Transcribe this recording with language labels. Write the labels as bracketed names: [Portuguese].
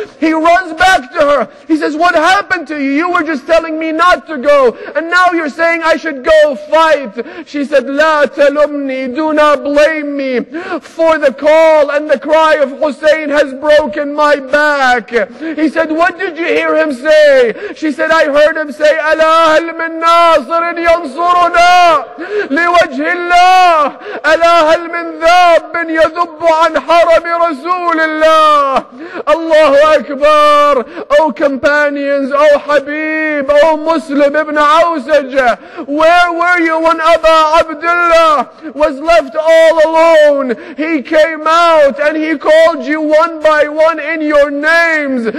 [English] He runs back to her. He says, what happened to you? You were just telling me not to go, and now you're saying I should go fight. She said, [Arabic] لَا تَلُمْنِي, [English] do not blame me for the call and the cry of Hussein has broken my back. He said, what did you hear him say? She said, I heard him say, [Arabic] أَلَا هَلْ مِنْ نَاصِرٍ يَنْصُرُنَا لِوَجْهِ اللَّهِ أَلَا هَلْ مِنْ ذَابٍ يَذُبُّ عَنْ حَرَمِ رَسُولِ اللَّهِ. [English] Allahu Akbar, O companions, O Habib, O Muslim ibn Awsajah, where were you when Abu Abdullah was left all alone? He came out and he called you one by one in your names.